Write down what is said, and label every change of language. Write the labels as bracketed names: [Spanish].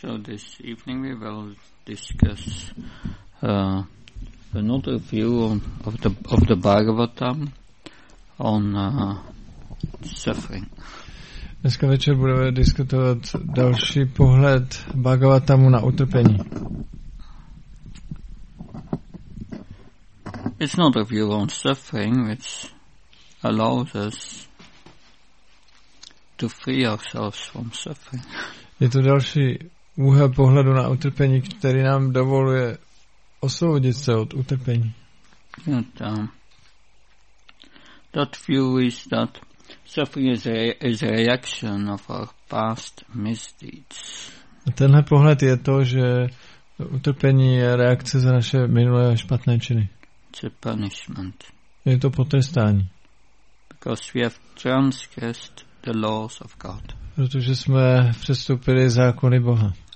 [English] So this evening we will discuss another view of the Bhagavatam on suffering. [Czech] Dneska večer budeme diskutovat další pohled Bhagavatamu na utrpení. [English] It's not a view on suffering, which allows us to free ourselves from suffering. [Czech] Je to další úhel pohledu na utrpení, který nám dovoluje osvobodit se od utrpení. [English] That view is that suffering is a reaction of our past misdeeds. [Czech] A tenhle pohled je to, že utrpení je reakce za naše minulé špatné činy. [English] It's a punishment. [Czech] Je to potrestání. [English] Because we have transgressed the laws of God. [Czech] Protože jsme přestoupili zákony Boha.